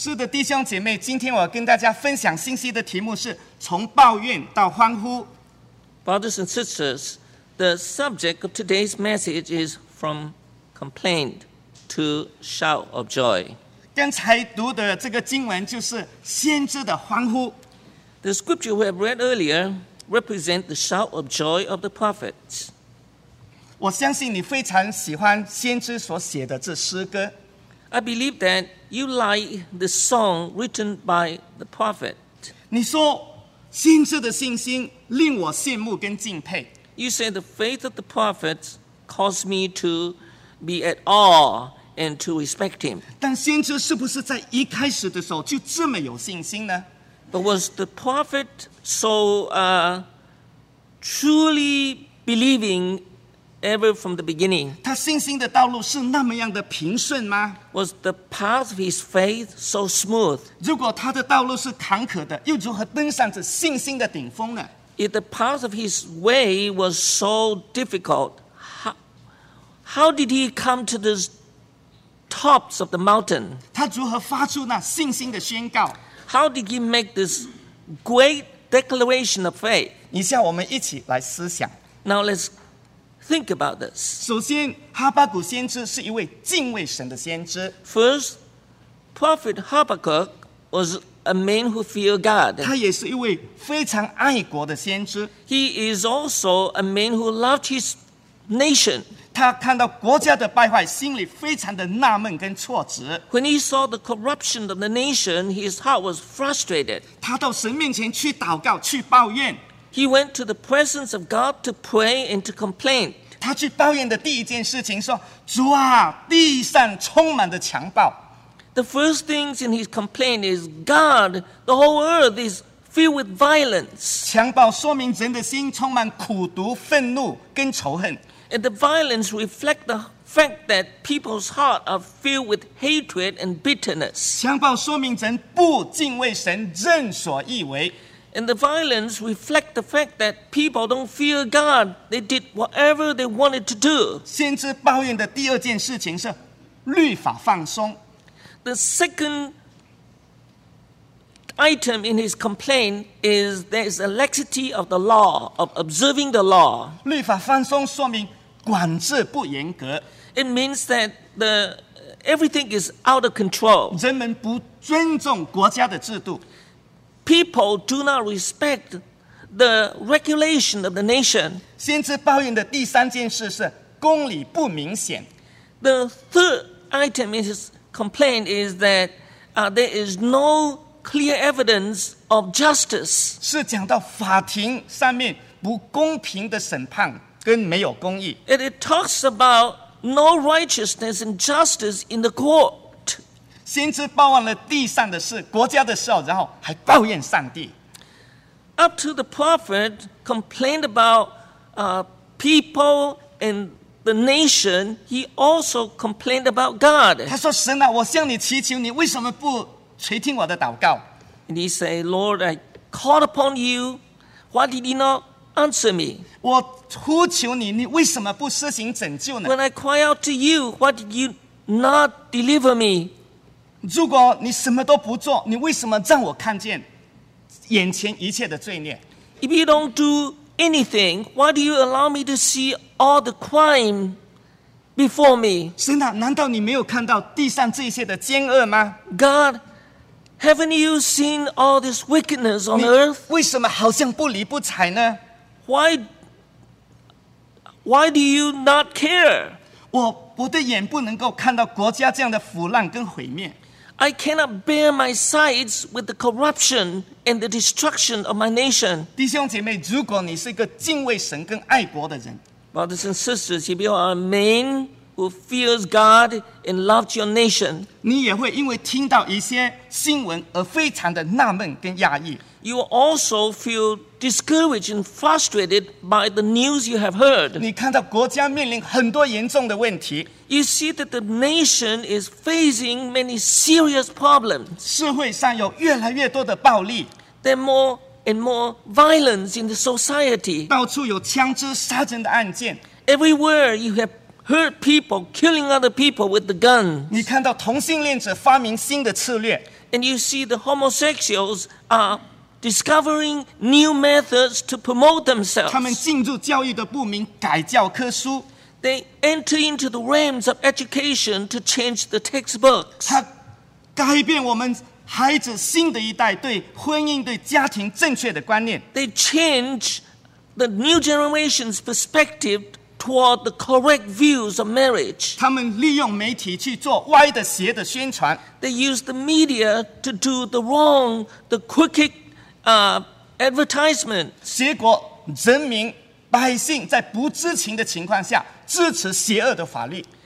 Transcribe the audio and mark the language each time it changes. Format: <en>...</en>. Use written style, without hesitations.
<zh>弟兄姐妹，今天我跟大家分享信息的题目是从抱怨到欢呼。</zh> <en>Brothers and sisters, the subject of today's message is from complaint to shout of joy.</en> <zh>刚才读的这个经文就是先知的欢呼。</zh> <en>The scripture we have read earlier represents the shout of joy of the prophets.</en> <zh>我相信你非常喜欢先知所写的这诗歌。</zh> <en>I believe that you like the song written by the prophet.</en> <zh>你说先知的信心令我羡慕跟敬佩。</zh> <en>You say the faith of the prophet caused me to be at awe and to respect him.</en> <zh>但先知是不是在一开始的时候就这么有信心呢？</zh> <en>But was the prophet so truly believing ever from the beginning?</en> <zh>他信心的道路是那么样的平顺吗？</zh> <en>Was the path of his faith so smooth?</en> <zh>如果他的道路是坎坷的，又如何登上这信心的顶峰呢？</zh> <en>If the path of his way was so difficult, how did he come to the tops of the mountain?</en> <zh>他如何发出那信心的宣告？</zh> <en>How did he make this great declaration of faith?</en> <zh>你像我们一起来思想。</zh> <en>Now let's think about this.</en> <zh>首先，哈巴谷先知是一位敬畏神的先知。</zh> <en>First, prophet Habakkuk was a man who feared God.</en> <zh>他也是一位非常爱国的先知。</zh> <en>He is also a man who loved his nation.</en> <zh>他看到国家的败坏，心里非常的纳闷跟挫折。</zh> <en>When he saw the corruption of the nation, his heart was frustrated.</en> <zh>他到神面前去祷告，去抱怨。</zh> <en>He went to the presence of God to pray and to complain.</en> <zh>他去抱怨的第一件事情说，主啊，地上充满着强暴。</zh> <en>The first thing in his complaint is, God, the whole earth is filled with violence.</en> <zh>强暴说明人的心充满苦毒、愤怒跟仇恨。</zh> <en>And the violence reflect the fact that people's hearts are filled with hatred and bitterness.</en> <zh>强暴说明人不敬畏神，任所欲为。</zh> <en>And the violence reflect the fact that people don't fear God. They did whatever they wanted to do.</en> <zh>先知抱怨的第二件事情是律法放松。</zh> <en>The second item in his complaint is there is a laxity of the law, of observing the law.</en> <zh>律法放松说明管制不严格。</zh> <en>It means that everything is out of control.</en> <zh>人们不尊重国家的制度。</zh> <en>People do not respect the regulation of the nation.</en> <zh>先知抱怨的第三件事是公理不明显。</zh> <en>The third item in his complaint is that there is no clear evidence of justice.</en> <zh>是讲到法庭上面不公平的审判跟没有公义。</zh> <en>And it talks about no righteousness and justice in the court.</en> <zh>先知抱怨了地上的事、国家的事，然后还抱怨上帝。</zh> <en>Up to the prophet complained about people and the nation, he also complained about God.</en> <zh>他说：“神啊，我向你祈求，你为什么不垂听我的祷告</zh> <en>？”And he said, "Lord, I called upon you. Why did you not answer me?"</en> <zh>我呼求你，你为什么不施行拯救呢</zh> <en>？When I cry out to you, why did you not deliver me?</en> <zh>如果你什么都不做，你为什么让我看见眼前一切的罪孽</zh> <en>？If you don't do anything, why do you allow me to see all the crime before me?</en> <zh>神啊，难道你没有看到地上这些的奸恶吗</zh> <en>？God, haven't you seen all this wickedness on earth?</en> <zh>为什么好像不理不睬呢</zh> <en>？Why do you not care?</en> <zh>我的眼不能够看到国家这样的腐烂跟毁灭。</zh> <en>I cannot bear my sights with the corruption and the destruction of my nation.</en> <zh>弟兄姐妹，如果你是一个敬畏神跟爱国的人</zh> <en>，Brothers and sisters, if you are a man who fears God and loves your nation,</en> <zh>你也会因为听到一些新闻而非常的纳闷跟讶异。</zh> <en>You also feel discouraged and frustrated by the news you have heard.</en> <zh>你看到国家面临很多严重的问题。</zh> <en>You see that the nation is facing many serious problems.</en> <zh>社会上有越来越多的暴力。</zh> <en>There are more and more violence in the society.</en> <zh>到处有枪支杀人的案件。</zh> <en>Everywhere you have heard people killing other people with the gun.</en> <zh>你看到同性恋者发明新的策略。</zh> <en>And you see the homosexuals are discovering new methods to promote themselves.</en> <zh>他们进入教育的部门改教科书。</zh> <en>They enter into the realms of education to change the textbooks.</en> <zh>他改变我们孩子新的一代对婚姻、对家庭正确的观念。</zh> <en>They change the new generation's perspective toward the correct views of marriage.</en> <zh>他们利用媒体去做歪的邪的宣传。</zh> <en>They use the media to do the wrong, the crooked, advertisement.</en> <zh>结果人民百姓在不知情的情况下支持邪恶的法律。</zh>